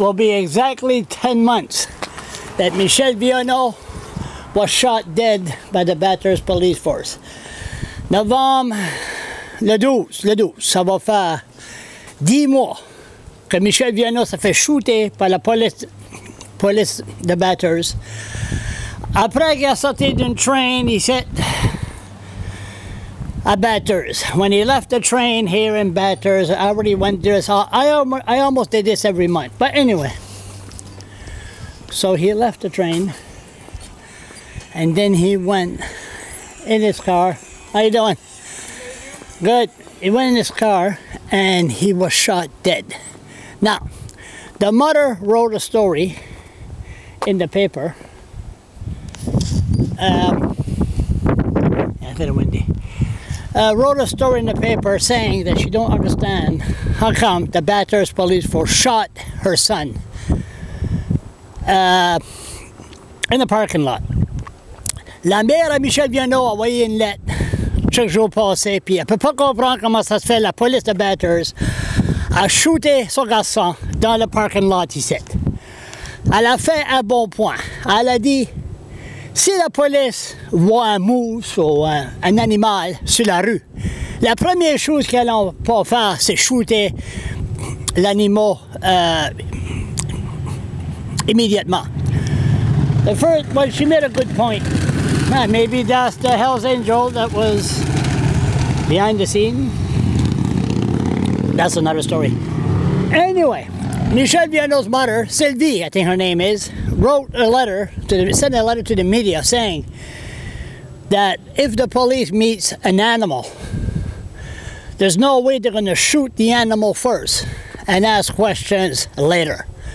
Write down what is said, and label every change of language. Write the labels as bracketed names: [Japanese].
[English] Will be exactly 10 months that Michel Vieaneau was shot dead by the Bathurst Police Force. November 12th, [French] ça va faire 10 mois que Michel Vieaneau s'est fait shooter par la police de Bathurst. Après qu'il a sorti d'une train, [English] he said, at Bathurst. When he left the train here in Bathurst, I already went there. So I almost did this every month. But anyway, so he left the train and then he went in his car. How you doing? Good. He went in his car and he was shot dead. Now, the mother wrote a story in the paper. It's a little windy. Wrote a story in the paper saying that she don't understand how come the Bathurst Police Force shot her son in the parking lot. [French] La mère à Michel Vieaneau a envoyé une lettre chaque jour passé, puis elle peut pas comprendre comment ça se fait, la police de Bathurst a shooté son garçon dans le parking lot, [English] he said. [French] Elle a fait un bon point. Elle a dit, si la police voit un mousse ou un animal sur la rue, la première chose qu'elle n'a pas à faire, c'est shooter l'animal immédiatement. [English] The first, well, she made a good point. Man, maybe that's the Hell's Angel that was behind the scene. That's another story. Anyway, Michel Vieaneau's mother, Sylvie, I think her name is, sent a letter to the media saying that if the police meets an animal, there's no way they're going to shoot the animal first and ask questions later.